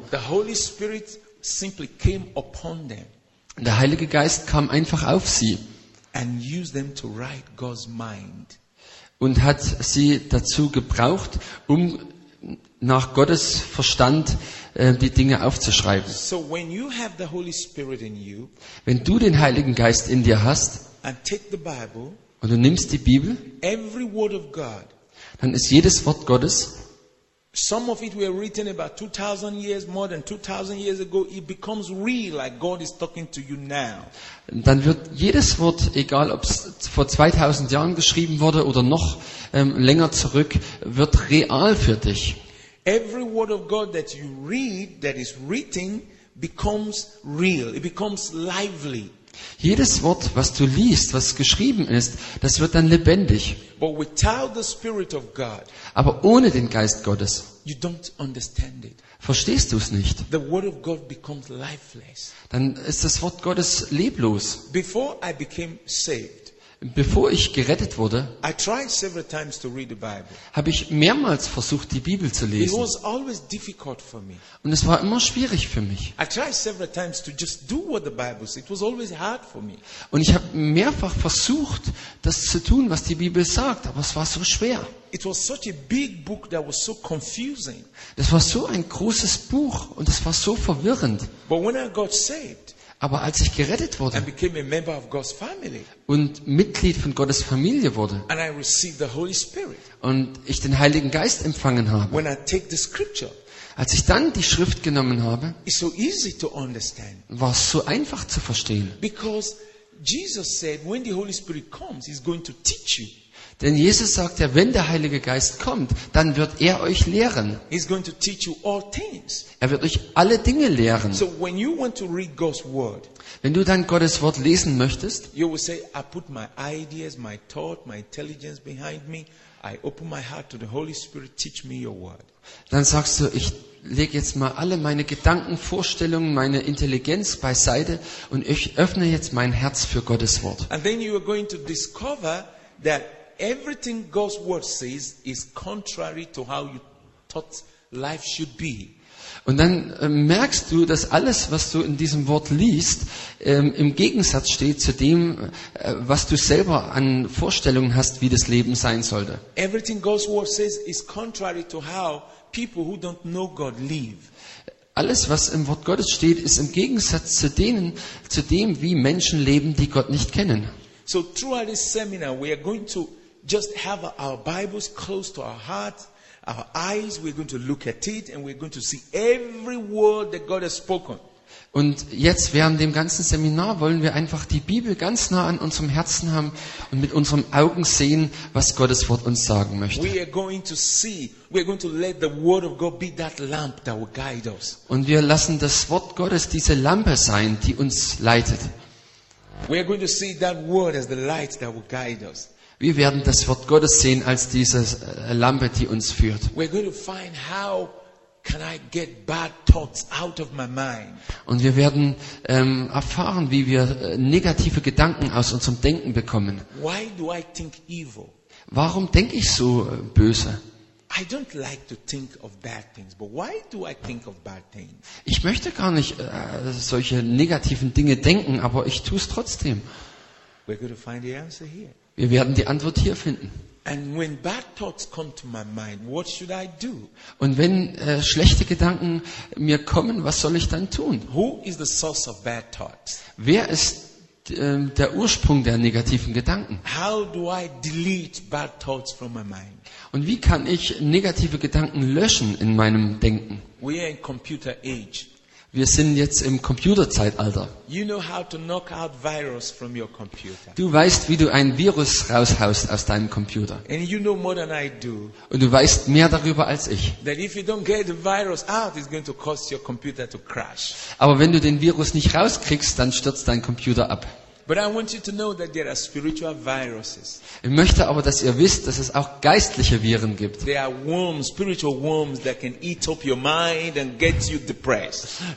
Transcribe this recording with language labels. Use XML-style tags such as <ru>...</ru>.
<en>The Holy Spirit simply came upon them.</en> <de>Der Heilige Geist kam einfach auf sie</de> <en>and used them to write God's mind.</en> <de>Und hat sie dazu gebraucht, um nach Gottes Verstand die Dinge aufzuschreiben.</de> <en>So when you have the Holy Spirit in you,</en> <de>wenn du den Heiligen Geist in dir hast</de> <en>and take the Bible,</en> <de>und du nimmst die Bibel,</de> <en>every word of God,</en> <de>dann ist jedes Wort Gottes,</de> <en>some of it were written about 2000 years, more than 2000 years ago, it becomes real, like God is talking to you now.</en> <de>Dann wird jedes Wort, egal ob es vor 2000 Jahren geschrieben wurde oder noch länger zurück, wird real für dich.</de> <en>Every word of God that you read, that is written, becomes real. It becomes lively.</en> <de>Jedes Wort, was du liest, was geschrieben ist, das wird dann lebendig.</de> <en>But without the Spirit of God,</en> <de>aber ohne den Geist Gottes,</de> <en>you don't understand it.</en> <de>Verstehst du es nicht,</de> <en>the word of God becomes lifeless.</en> <de>Dann ist das Wort Gottes leblos.</de> <en>Before I became saved,</en> <de>bevor ich gerettet wurde,</de> <en>I tried several times to read the Bible.</en> <de>Habe ich mehrmals versucht, die Bibel zu lesen.</de> <en>It was always difficult for me.</en> <de>Und es war immer schwierig für mich.</de> <en>I tried several times to just do what the Bible says. It was always hard for me.</en> <de>Und ich habe mehrfach versucht, das zu tun, was die Bibel sagt, aber es war so schwer.</de> <en>It was such a big book that was so confusing.</en> <de>Das war so ein großes Buch und es war so verwirrend.</de> <en>But when I got saved,</en> <de>aber als ich gerettet wurde</de> <en>and became a member of God's family,</en> <de>und Mitglied von Gottes Familie wurde</de> <en>and I received the Holy Spirit,</en> <de>und ich den Heiligen Geist empfangen habe,</de> <en>when I take the scripture,</en> <de>als ich dann die Schrift genommen habe,</de> <en>it's so easy to understand,</en> <de>war es so einfach zu verstehen.</de> <en>Because Jesus said, when the Holy Spirit comes, he's going to teach you.</en> <de>Denn Jesus sagt ja, wenn der Heilige Geist kommt, dann wird er euch lehren.</de> <en>He's going to teach you all things.</en> <de>Er wird euch alle Dinge lehren.</de> <en>So when you want to read God's word,</en> <de>wenn du dann Gottes Wort lesen möchtest,</de> <en>you will say, I put my ideas, my thought, my intelligence behind me. I open my heart to the Holy Spirit, teach me your word.</en> <de>Dann sagst du, ich lege jetzt mal alle meine Gedanken, Vorstellungen, meine Intelligenz beiseite und ich öffne jetzt mein Herz für Gottes Wort.</de> <en>And then you are going to discover that everything God's word says is contrary to how you thought life should be.</en> <de>Und dann merkst du, dass alles, was du in diesem Wort liest, im Gegensatz steht zu dem, was du selber an Vorstellungen hast, wie das Leben sein sollte.</de> <en>Everything God's word says is contrary to how people who don't know God live.</en> <de>Alles, was im Wort Gottes steht, ist im Gegensatz zu dem, wie Menschen leben, die Gott nicht kennen.</de> <en>So throughout this seminar we are going to just have our Bibles close to our hearts, our eyes, we're going to look at it and we're going to see every word that God has spoken.</en> <de>Und jetzt während dem ganzen Seminar wollen wir einfach die Bibel ganz nah an unserem Herzen haben und mit unseren Augen sehen, was Gottes Wort uns sagen möchte.</de> <en>We are going to see, we are going to let the word of God be that lamp that will guide us.</en> <de>Und wir lassen das Wort Gottes diese Lampe sein, die uns leitet.</de> <en>We are going to see that word as the light that will guide us.</en> <de>Wir werden das Wort Gottes sehen als diese Lampe, die uns führt.</de> <en>We're going to find how can I get bad thoughts out of my mind.</en> <de>Und wir werden erfahren, wie wir negative Gedanken aus unserem Denken bekommen.</de> <en>Why do I think evil?</en> <de>Warum denke ich so böse?</de> <en>I don't like to think of bad things, but why do I think of bad things?</en> <de>Ich möchte gar nicht solche negativen Dinge denken, aber ich tue es trotzdem.</de> <en>We're going to find the answer here.</en> <de>Wir werden die Antwort hier finden.</de> <en>And when bad thoughts come to my mind, what should I do?</en> <de>Und wenn schlechte Gedanken mir kommen, was soll ich dann tun?</de> <en>Who is the source of bad thoughts?</en> <de>Wer ist der Ursprung der negativen Gedanken?</de> <en>How do I delete bad thoughts from my mind?</en> <de>Und wie kann ich negative Gedanken löschen in meinem Denken?</de> <en>We are in computer age.</en> <de>Wir sind jetzt im Computerzeitalter.</de> <en>You know how to knock out virus from your computer.</en> <de>Du weißt, wie du ein Virus raushaust aus deinem Computer.</de> <en>And you know more than I do.</en> <de>Und du weißt mehr darüber als ich.</de> <en>That if you don't get the virus out, it's going to cause your computer to crash.</en> <de>Aber wenn du den Virus nicht rauskriegst, dann stürzt dein Computer ab.</de> <en>But I want you to know that there are spiritual viruses.</en> <de>Ich möchte aber, dass ihr wisst, dass es auch geistliche Viren gibt.</de> <en>There are worms, spiritual worms that can eat up your mind and get you depressed.</en>